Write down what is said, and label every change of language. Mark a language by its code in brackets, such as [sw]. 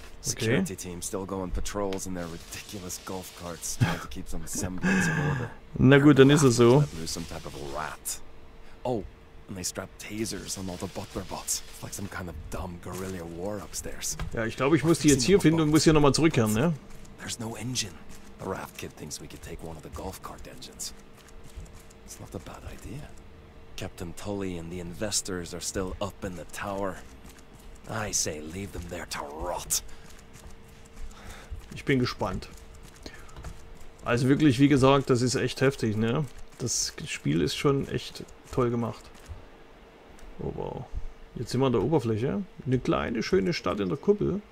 [en] Security team still going patrols in their ridiculous golf carts trying to keep some semblance of order. [de] Na gut, dann ist es so. [en] Some type of rat. Oh, and they strap tasers on all the butler bots. It's like some kind of dumb guerrilla war upstairs. [de] Ja, ich glaube, ich muss die jetzt hier finden und muss hier nochmal zurückkehren, ne? [en] There's no engine. The raft kid thinks we could take one of the golf cart engines. It's not a bad idea. Captain Tully and the investors are still up in the tower. I say, leave them there to rot. [de] Ich bin gespannt. Also wirklich, wie gesagt, das ist echt heftig, ne? Das Spiel ist schon echt toll gemacht. Oh wow. Jetzt sind wir an der Oberfläche. Eine kleine, schöne Stadt in der Kuppel.